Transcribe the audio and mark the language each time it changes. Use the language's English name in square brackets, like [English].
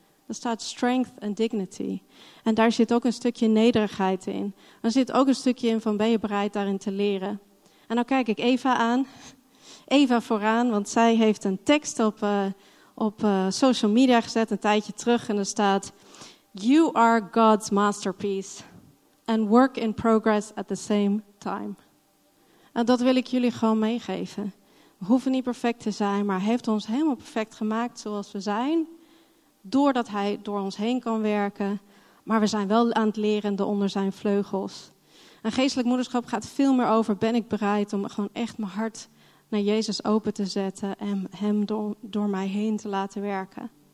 [Dutch] Er staat [English] strength and dignity. [Dutch] En daar zit ook een stukje nederigheid in. Er zit ook een stukje in van, ben je bereid daarin te leren? En dan kijk ik Eva aan. Eva vooraan, want zij heeft een tekst op social media gezet een tijdje terug. En er staat, [English] you are God's masterpiece and work in progress at the same time. [Dutch] En dat wil ik jullie gewoon meegeven. We hoeven niet perfect te zijn, maar hij heeft ons helemaal perfect gemaakt zoals we zijn. Doordat hij door ons heen kan werken. Maar we zijn wel aan het leren onder zijn vleugels. En geestelijk moederschap gaat veel meer over, ben ik bereid om gewoon echt mijn hart naar Jezus open te zetten en hem door mij heen te laten werken.